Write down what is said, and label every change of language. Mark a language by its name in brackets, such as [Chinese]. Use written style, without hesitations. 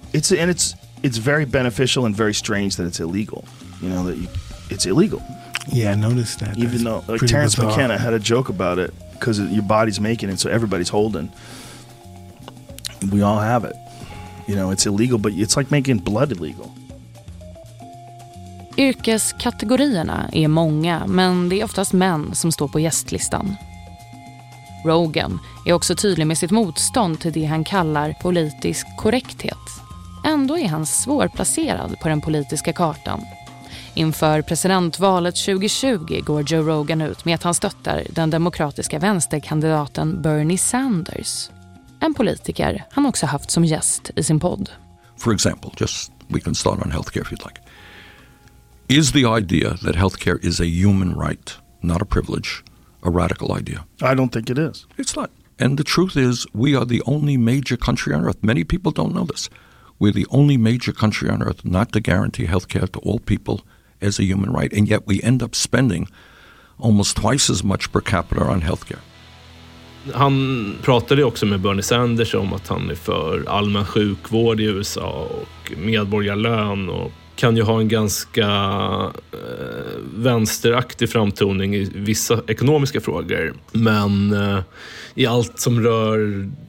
[English] It's very beneficial and very strange that it's illegal. You know, it's illegal. Yeah, I noticed that. Even though, like, Terrence McKenna had a joke about it, because your body's making it, so everybody's holding. We all have it. You know, it's illegal, but it's like making blood illegal. [Swedish] Yrkeskategorierna är många, men det är oftast män som står på gästlistan. Rogan är också tydlig med sitt motstånd till det han kallar politisk korrekthet. Ändå är han svårplacerad på den politiska kartan. Inför presidentvalet 2020 går Joe Rogan ut med att han stöttar den demokratiska vänsterkandidaten Bernie Sanders. En politiker han också haft som gäst i sin podd. [English] For example, just we can start on healthcare if you'd like. Is the idea that healthcare is a human right, not a privilege, a radical idea? I don't think it is. It's not. And the truth is, we are the only major country on earth. Many people don't know this. We're the only major country on earth not to guarantee health care to all people as a human right. And yet we end up spending almost twice as much per capita on health care. [Swedish] Han pratade också med Bernie Sanders om att han är för allmän sjukvård i USA och medborgarlön, och kan ju ha en ganska vänsteraktig framtoning i vissa ekonomiska frågor. Men i allt som rör